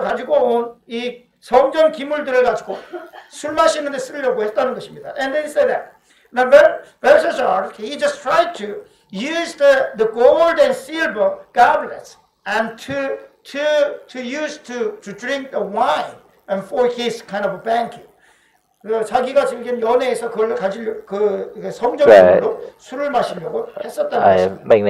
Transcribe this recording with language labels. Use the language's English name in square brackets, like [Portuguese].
[Korean] 가지고 온 이 성전 기물들을 가지고 술 마시는데 쓰려고 했다는 것입니다. [English] And they said that now Belshazzar he just tried to use the gold and silver goblets and to use to drink the wine and for his kind of banquet. [Korean] 자기가 즐긴 연회에서 그걸 가질 그 성전으로 술을 마시려고 했었다는